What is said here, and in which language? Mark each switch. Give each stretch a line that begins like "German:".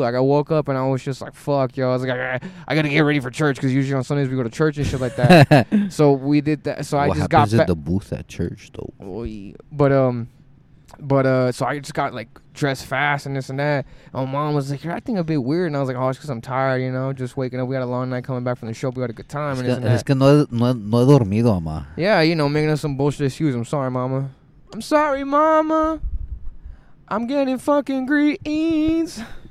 English: Like, I woke up, and I was just like, fuck, yo. I was like, I got to get ready for church because usually on Sundays we go to church and shit like that. So we did that. So what I just got back. What happens at the booth at church, though? But But so I just got like dressed fast and this and that. And my mom was like, "You're acting a bit weird," and I was like, "Oh, it's because I'm tired, you know, just waking up. We had a long night coming back from the show. We had a good time." And
Spanish: es que no he dormido, mamá.
English: Yeah, you know, making us some bullshit excuse. I'm sorry, mama. I'm sorry, mama. I'm getting fucking greens.